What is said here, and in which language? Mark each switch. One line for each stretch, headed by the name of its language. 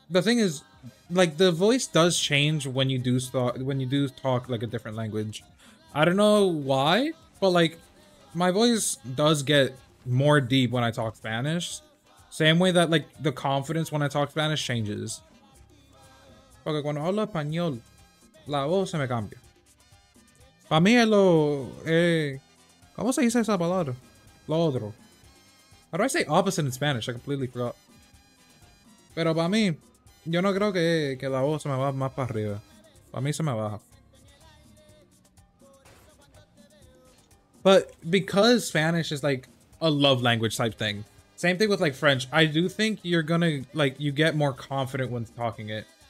English: The thing is, like, the voice does change when you do talk, like, a different language. I don't know why, but, like, my voice does get more deep when I talk Spanish. Same way that, like, the confidence when I talk Spanish changes.
Spanish: Porque cuando hablo español, la voz se me cambia. Para mí es lo... ¿Cómo se dice esa palabra? Lo otro.
English: How do I say opposite in Spanish? I completely forgot.
Spanish: Pero para mí, yo no creo que la voz se me va más para arriba. Para mí se me baja.
English: But because Spanish is like a love language type thing, Same thing with like French. I do think you're gonna like you get more confident when talking it.